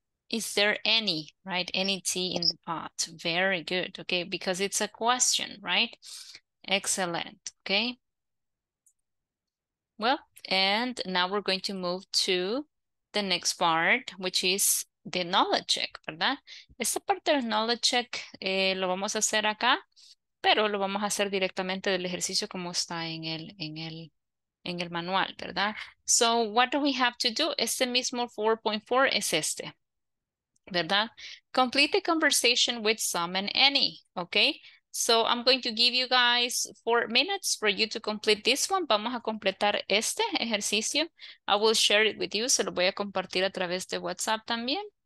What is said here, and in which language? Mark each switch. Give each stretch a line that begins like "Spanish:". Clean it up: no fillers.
English: Is there any, right? Any tea in the pot? Very good. Okay, because it's a question, right? Excellent. Okay. Well, and now we're going to move to the next part, which is the knowledge check,
Spanish: ¿verdad? Esta parte del knowledge check lo vamos a hacer acá, pero lo vamos a hacer directamente del ejercicio como está en el manual, ¿verdad?
English: So what do we have to do?
Spanish: Este mismo 4.4 es este, ¿verdad?
English: Complete the conversation with some and any, okay? So I'm going to give you guys 4 minutes for you to complete this one.
Spanish: Vamos a completar este ejercicio.
English: I will share it with you.
Spanish: Se lo voy a compartir a través de WhatsApp también.